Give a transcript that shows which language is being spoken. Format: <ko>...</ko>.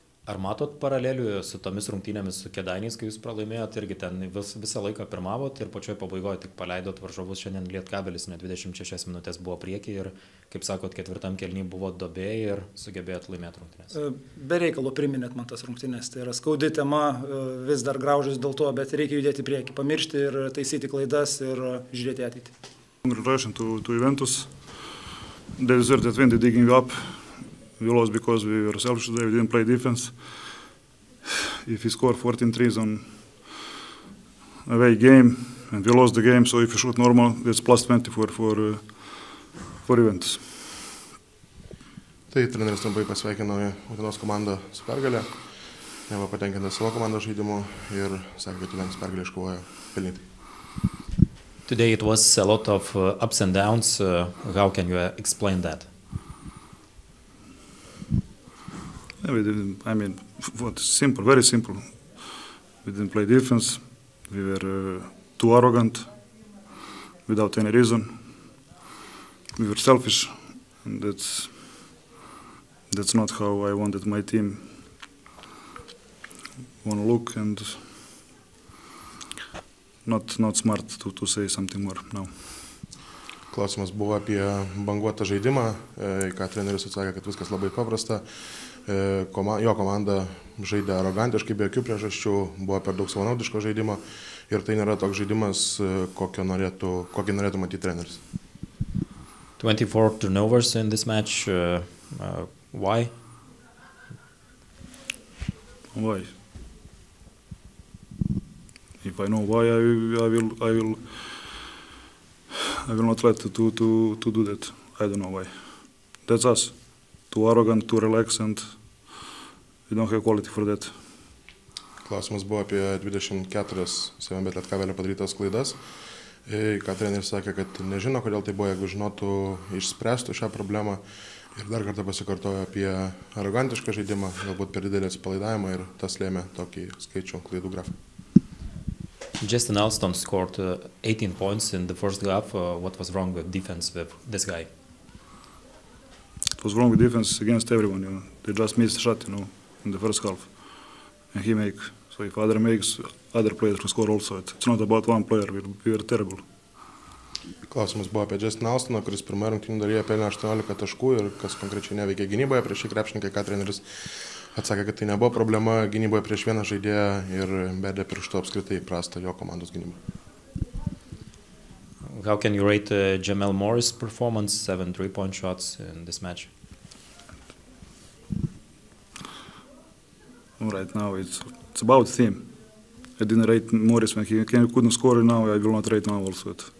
<lt>Ar matot paralelių su tomis rungtynėmis su Kėdainiais, kai jūs pralaimėjot, irgi ten visą laiką pirmavot ir pačioj pabaigoje tik paleidot varžovus, šiandien Lietkabelis net 26 minutės buvo prieky ir, kaip sakot, ketvirtam kelny buvo dobėjai ir sugebėjot laimėti rungtynės? Be reikalo priminėt man tas rungtynės, tai yra skaudi tema, vis dar graužius dėl to, bet reikia judėti prieki, pamiršti ir taisyti klaidas ir žiūrėti ateitį. Rašant tų eventus,</lt> <en>they deserve that when they digging up. We lost because we were selfish today, we didn't play defense. If we score 14 threes on away game and we lost the game, so if you shoot normal, it's plus 20 for events.</en> <lt>Tai treneris trumpai pasveikino Utenos komandą su pergalė, neva patenkinta savo komandos žaidimu ir sakė, kad Utenos pergalė iškovojo pelnytai.</lt> <en>Today it was a lot of ups and downs. How can you explain that? Yeah, very simple. We didn't play defense. We were too arrogant without any reason. We were selfish. And that's not how I wanted my team wanna look, and not smart to say something more now.</en> <lt>Klausimas buvo apie banguotą žaidimą, ką treneris atsakė, kad viskas labai paprasta. Jo komanda žaidė arogantiškai, be jokių priežasčių, buvo per daug savanaudiško žaidimo ir tai nėra toks žaidimas, kokį norėtų matyti treneris.</lt> <en>24 turnovers in this match, why? Why? If I know why, I will not let to do that. I don't know why. That's us. Too arrogant, too relaxed, and we don't have quality for that.</en> <lt>Klausimas buvo apie 24 Sevenbet Lietkabelio padarytas klaidas. Ką treneris sakė, kad nežino, kodėl tai buvo, jeigu žinotų, išspręstų šią problemą. Ir dar kartą pasikartojo apie arogantišką žaidimą, galbūt per didelį atsipalaidavimą ir tas lėmė tokį skaičių klaidų grafą.</lt> <en>Justin Alston scored 18 points in the first half. What was wrong with defense with this guy? It was wrong with defense against everyone. You know. They just missed a shot, you know, in the first half. And he makes. So if other makes, other players can score also. It's not about one player. We were terrible.</en> <lt>Klausimas buvo apie Justin Alstoną, kuris pirmąją rungtynių dalyje pelnė 18 taškų ir kas konkrečiai neveikė gynyboje prieš šį krepšininką, ką treneris atsakė, kad tai nebuvo problema gynyboje prieš vieną žaidėją ir bedė pirštų apskritai prastą jo komandos gynybą.</lt> <en>How can you rate Jamal Morris performance, 7 three-point shots in this match? Right now it's about him. I didn't rate Morris when he couldn't score and now I will not rate now also.</en>